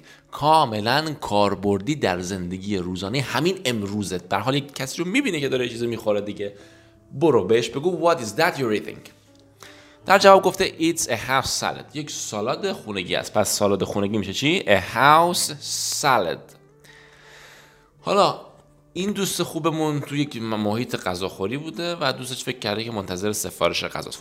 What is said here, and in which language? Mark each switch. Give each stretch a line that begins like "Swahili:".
Persian: کاملا کاربردی در زندگی روزانه همین امروزت. به هر حال کسی رو میبینه که داره چیزی میخوره دیگه، برو بهش بگو
English: What is that you're eating.
Persian: در جواب گفته
English: It's a house salad.
Persian: یک سالاد خونگی است. پس سالاد خونگی میشه چی؟
English: A house salad.
Persian: حالا این دوست خوبمون توی یک محیط غذاخوری بوده و دوستش فکر کرده که منتظر سفارش غذاست.